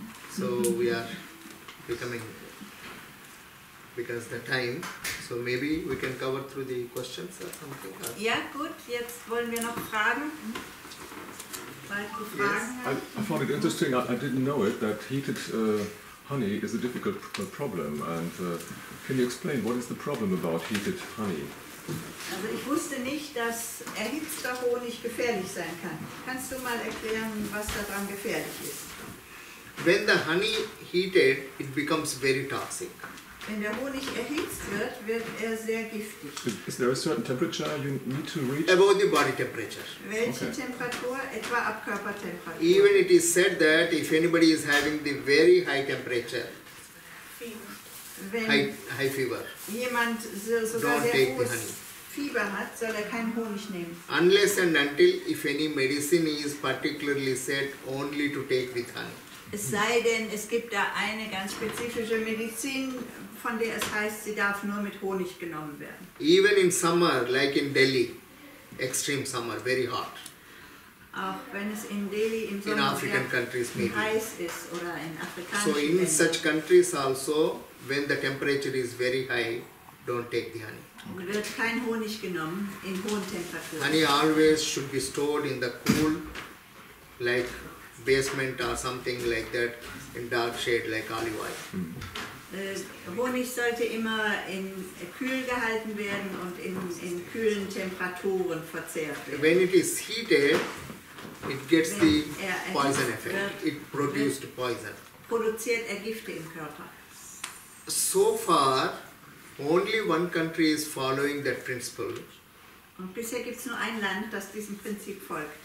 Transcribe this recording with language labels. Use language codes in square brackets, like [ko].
[en] So we are becoming, because the time, so maybe we can cover through the questions or something. Yeah, good. [de] Jetzt wollen wir noch fragen. [en] Yes. I found it interesting, I didn't know it, that heated honey is a difficult problem. And can you explain what is the problem about heated honey? [de] Also ich wusste nicht, dass erhitzter Honig gefährlich sein kann. Kannst du mal erklären, was daran gefährlich ist? [en] When the honey heated, it becomes very toxic. [de] Wenn der Honig erhitzt wird, wird sehr giftig. [en] Is there a certain temperature you need to reach? Above the body temperature. [de] Welche Temperatur? Etwa ab Körpertemperatur. [en] Even it is said that if anybody is having the very high temperature, wenn high fever. [de] Jemand sogar sehr hohes Fieber hat, soll er keinen Honig nehmen. [en] Unless and until if any medicine is particularly said only to take with honey. [de] Es sei denn, es gibt da eine ganz spezifische Medizin, von der es heißt, sie darf nur mit Honig genommen werden. [en] Even in summer, like in Delhi, extreme summer, very hot. [de] Auch wenn es in Delhi im Sommer [en] in African countries maybe [de] heiß ist oder in afrikanischen [en] so in [de] Ländern. [en] Such countries also, when the temperature is very high, don't take the honey. [de] Okay. Wird kein Honig genommen in hohen Temperaturen. [en] Honey always should be stored in the cool, like basement or something like that, in dark shade like olive oil. [de] Honig sollte immer in kühl gehalten werden und in kühlen Temperaturen verzehrt werden. [en] When it is heated, it gets the poison effect. It produced poison. [de] Produziert er Gifte im Körper. [en] So far, only one country is following that principle. [de] Und bisher gibt es nur ein Land, das diesem Prinzip folgt.